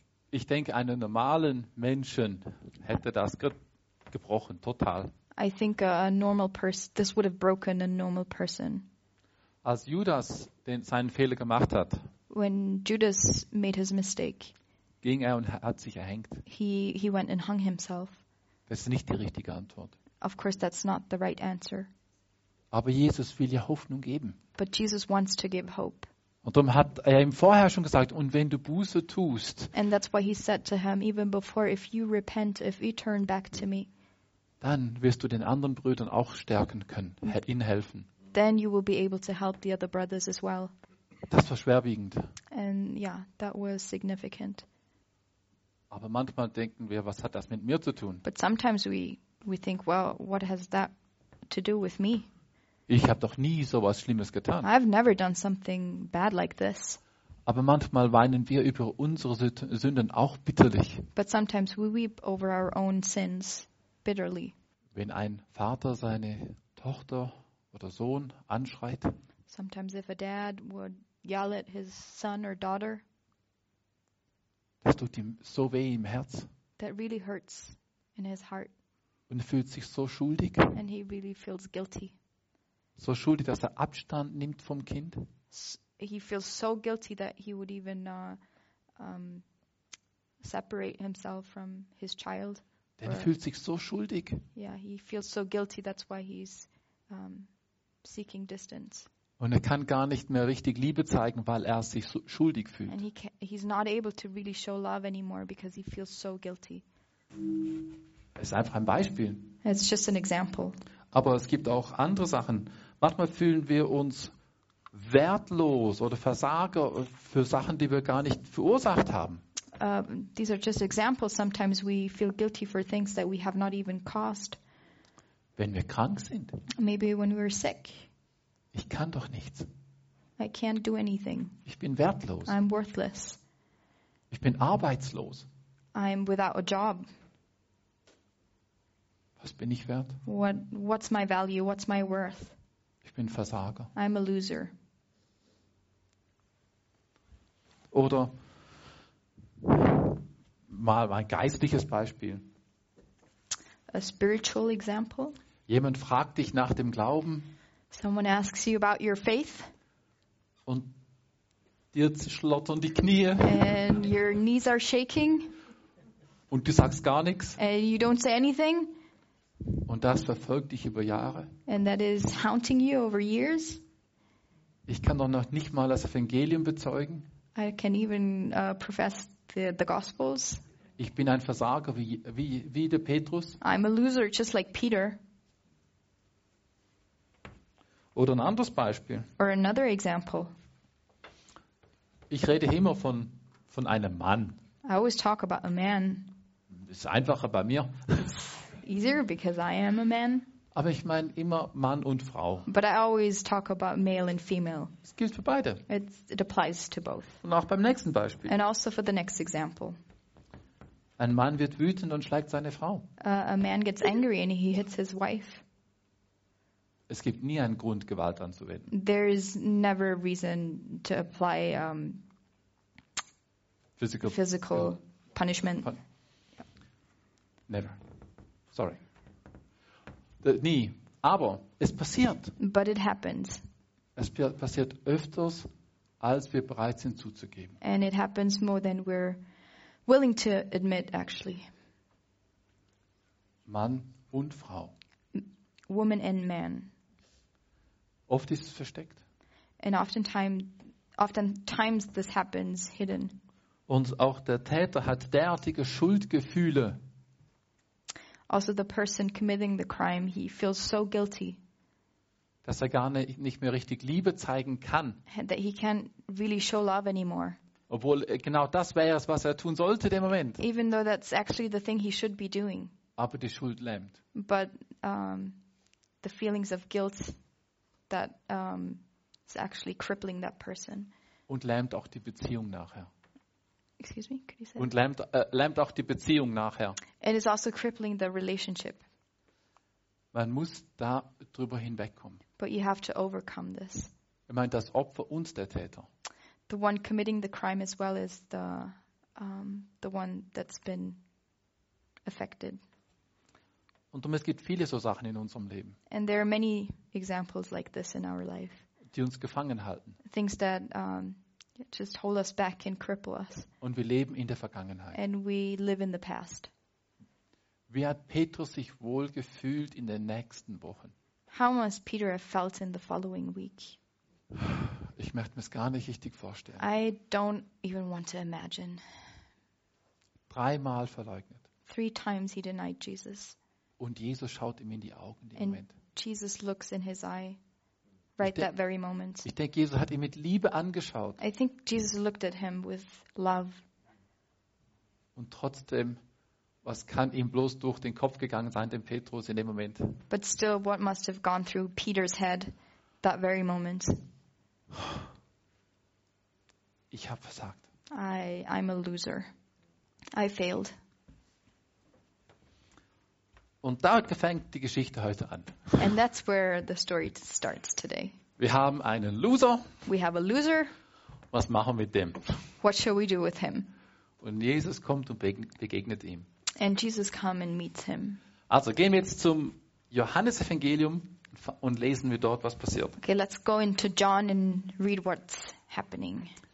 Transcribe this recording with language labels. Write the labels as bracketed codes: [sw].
[de] Ich denke, einen normalen Menschen hätte das gebrochen, total. [en] I think a normal person, this would have broken a normal person. [de] Als Judas seinen Fehler gemacht hat, [en] when Judas made his mistake, [de] ging er und hat sich erhängt. [en] He went and hung himself. [de] Das ist nicht die richtige Antwort. [en] Of course, that's not the right answer. [de] Aber Jesus will ja Hoffnung geben. [en] But Jesus wants to give hope. [de] Und darum hat er ihm vorher schon gesagt, und wenn du Buße tust, [en] and that's why he said to him, even before, if you repent, if you turn back to me, [de] dann wirst du den anderen Brüdern auch stärken können, ihnen helfen. [en] Then you will be able to help the other brothers as well. [de] Das war schwerwiegend. [en] And yeah, that was significant. [de] Aber manchmal denken wir, was hat das mit mir zu tun? [en] But sometimes we think, well, what has that to do with me? [de] Ich habe doch nie sowas Schlimmes getan. [en] I've never done something bad like this. [de] Aber manchmal weinen wir über unsere Sünden auch bitterlich. [en] But sometimes we weep over our own sins bitterly. [de] Wenn ein Vater seine Tochter oder Sohn anschreit. [en] Sometimes if a dad would yell at his son or daughter. [de] Das tut ihm so weh im Herz. [en] That really hurts in his heart. [de] Und fühlt sich so schuldig. [en] And he really feels guilty. [de] So schuldig, dass er Abstand nimmt vom Kind. [en] He feels so guilty that he would even separate himself from his child. [de] Denn er fühlt sich so schuldig. [en] Yeah, he feels so guilty, that's why he's seeking distance. [de] Und er kann gar nicht mehr richtig Liebe zeigen, weil er sich so schuldig fühlt. [en] And he's not able to really show love anymore because he feels so guilty. [de] Es ist einfach ein Beispiel. [en] It's just an example. [de] Aber es gibt auch andere Sachen. Manchmal fühlen wir uns wertlos oder Versager für Sachen, die wir gar nicht verursacht haben. [en] These are just examples. Sometimes we feel guilty for things that we have not even caused. [de] Wenn wir krank sind. [en] Maybe when we're sick. [de] Ich kann doch nichts. [en] I can't do anything. [de] Ich bin wertlos. [en] I'm worthless. [de] Ich bin arbeitslos. [en] I'm without a job. [de] Was bin ich wert? [en] What's my value? What's my worth? [de] Ich bin Versager. [en] I'm a loser. [de] Oder mal ein geistliches Beispiel. [en] A spiritual example. [de] Jemand fragt dich nach dem Glauben. [en] Someone asks you about your faith. [de] Und dir schlottern die Knie. [en] And your knees are shaking. [de] Und du sagst gar nichts. [en] And you don't say anything. [de] Und das verfolgt dich über Jahre. [en] And that is haunting you over years. [de] Ich kann doch noch nicht mal das Evangelium bezeugen. [en] I can even profess the Gospels. [de] Ich bin ein Versager wie der Petrus. [en] I'm a loser just like Peter. [de] Oder ein anderes Beispiel. [en] Or another example. [de] Ich rede immer von einem Mann. [en] I always talk about a man. [de] Ist einfacher bei mir. [en] Easier because I am a man. [de] Aber ich meine immer Mann und Frau. [en] But I always talk about male and female. [de] Es gilt für beide. [en] It applies to both. [de] Und auch beim nächsten Beispiel. [en] And also for the next example. [de] Ein Mann wird wütend und schlägt seine Frau. [en] A man gets angry and he hits his wife. [de] Es gibt nie einen Grund, Gewalt anzuwenden. [en] There is never a reason to apply physical punishment. Never. Sorry. [de] Nie. Aber es passiert. [en] But it happens. [de] Es passiert öfters, als wir bereit sind zuzugeben. [en] And it happens more than we're willing to admit, actually. [de] Mann und Frau. [en] Woman and man. [de] Oft ist es versteckt. [en] And oftentimes this happens hidden. [de] Und auch der Täter hat derartige Schuldgefühle. [en] Also the person committing the crime, he feels so guilty. [de] Dass er gar nicht mehr richtig Liebe zeigen kann. [en] That he can't really show love anymore. [de] Obwohl genau das wäre es, was er tun sollte im Moment. [en] Even though that's actually the thing he should be doing. [de] Aber die Schuld lähmt. [en] But the feelings of guilt that is actually crippling that person. [de] Und lähmt auch die Beziehung nachher. [en] Excuse me, could you say? [de] Und lähmt auch die Beziehung nachher. [en] And it's also crippling the relationship. [de] Man muss da drüber hinwegkommen. [en] But you have to overcome this. [de] Ich meine, das Opfer und der Täter. [en] The one committing the crime as well as the one that's been affected. [de] Und es gibt viele so Sachen in unserem Leben. [en] And there are many examples like this in our life. [de] Die uns gefangen halten. [en] Things that just hold us back and cripple us. [de] Und wir leben in der Vergangenheit. [en] And we live in the past. [de] Wie hat Petrus sich wohl gefühlt in den nächsten Wochen? [en] How must Peter have felt in the following week? [de] Ich möchte mir es gar nicht richtig vorstellen. [en] I don't even want to imagine. [de] Dreimal verleugnet. [en] Three times he denied Jesus. [de] Und Jesus schaut ihm in die Augen im Moment. [en] Jesus looks in his eye right that very moment. [de] Ich denke, Jesus hat ihn mit Liebe angeschaut. [en] I think Jesus looked at him with love. [de] Und trotzdem, was kann ihm bloß durch den Kopf gegangen sein, dem Petrus in dem Moment? [en] But still, what must have gone through Peter's head that very moment? [de] Ich habe versagt. [en] I'm a loser. I failed. [de] Und da fängt die Geschichte heute an. [en] And that's where the story starts today. [de] Wir haben einen Loser. [en] We have a loser. [de] Was machen wir mit dem? [en] What shall we do with him? [de] Und Jesus kommt und begegnet ihm. [en] And Jesus comes and meets him. [de] Also gehen wir jetzt zum Johannesevangelium und lesen wir dort, was passiert. [en] Okay, let's go into John and read what's happening.